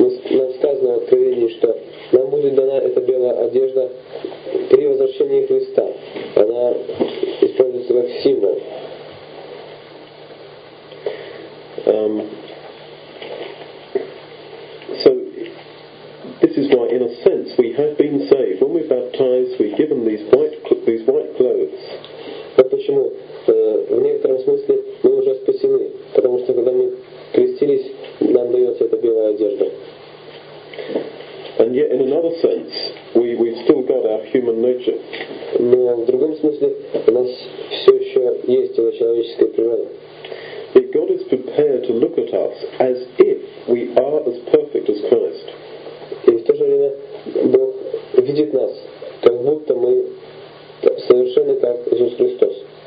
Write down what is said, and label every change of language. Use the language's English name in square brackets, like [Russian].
[Russian] Нам сказано в Откровении, что нам будет дана эта белая одежда при возвращении Христа. Она используется как символ. [English] So, this is why, in a sense, we have been saved. When we're baptized, we're given these white clothes. [Russian] Вот почему в некотором смысле мы уже спасены. Потому что, когда мы крестились, нам дается эта белая одежда. [English] And yet, in another sense, we've still got our human nature. [Russian] Но в другом смысле у нас все еще есть его человеческая природа. [English] But God is prepared to look at us as if we are as perfect as Christ. [Russian] И в то же время Бог видит нас, как будто мы совершенны, как Иисус Христос.